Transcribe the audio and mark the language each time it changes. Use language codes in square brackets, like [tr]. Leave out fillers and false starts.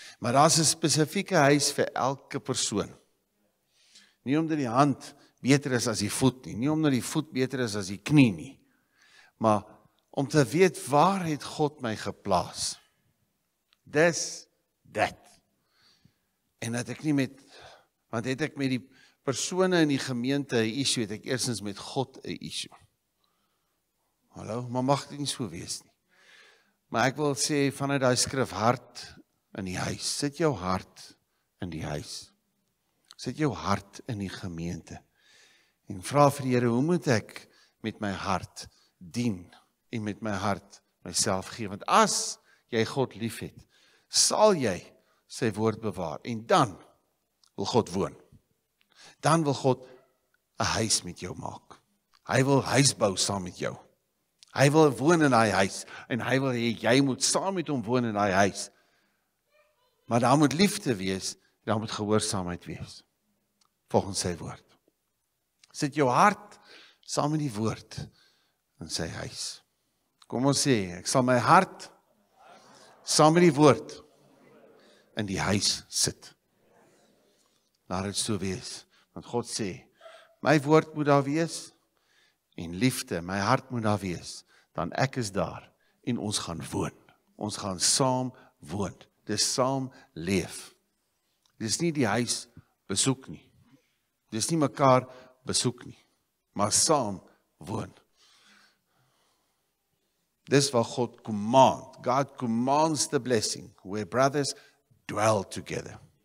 [af] Maar daar is een specifieke huis vir elke persoon. Nie omdat die hand beter is as die voet nie, nie omdat die voet beter is as die knie nie, maar om te weet waar het God my geplaas. Dis dat. En dat ek nie met, want het ek met die persone in die gemeente een issue, het ek eerstens met God een issue. Hallo, maar mag dit nie so wees nie. Maar ek wil sê, vanuit die skrif, hart in die huis, sit jou hart in die huis. Sit jou hart in die gemeente. En vraag vir die Here, hoe moet ek met my hart dien, en met my hart myself gee? Want as jy God lief het, sal jy sy woord bewaar, en dan wil God woon. Dan wil God een huis met jou maak. Hy wil huis bou saam met jou. Hy wil woon in die huis, en hy wil hê, jy moet saam met hom woon in die huis. Maar daar moet liefde wees, daar moet gehoorsaamheid wees, volgens sy woord. Sit jou hart saam met die woord in sy huis. Kom ons sê, ek sal my hart saam met die woord in die huis sit. Laat het so wees, want God sê, my woord moet daar wees, en liefde, my hart moet daar wees, dan ek is daar, en ons gaan woon. Ons gaan saam woon, dis saam leef. Dis nie die huis besoek nie, dis nie mekaar besoek nie, maar saam woon. Dis wat God command. [en] God commands the blessing where brothers dwell together.